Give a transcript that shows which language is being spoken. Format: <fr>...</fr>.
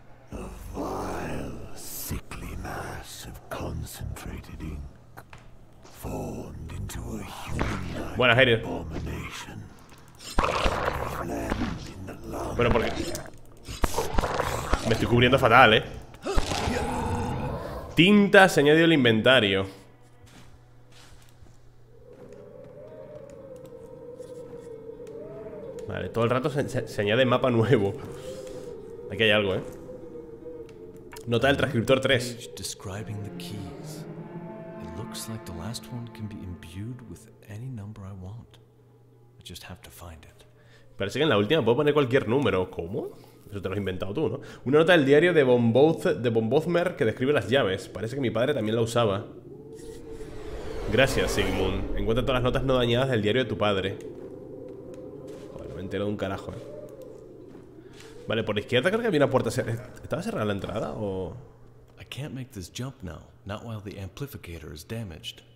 <en>A vile, sickly mass of concentrated ink formed into a human-like abomination.</en> <es>Bueno, porque me estoy cubriendo fatal, ¿eh? Tinta se añadió al inventario. Vale, todo el rato se añade mapa nuevo. Aquí hay algo, Nota del transcriptor 3.</es> <en>Describing the keys. It looks like the last one can be imbued with any number I want. I just have to find it.</en> <es>Parece que en la última puedo poner cualquier número. ¿Cómo? Eso te lo has inventado tú, ¿no? Una nota del diario de Von Bothmer que describe las llaves. Parece que mi padre también la usaba. Gracias, Sigmund. Encuentra todas las notas no dañadas del diario de tu padre. Joder, me entero de un carajo, Vale, por la izquierda creo que había una puerta. ¿Estaba cerrada la entrada o...?</es> <en>I can't make this jump now, not while the amplificator is damaged.</en>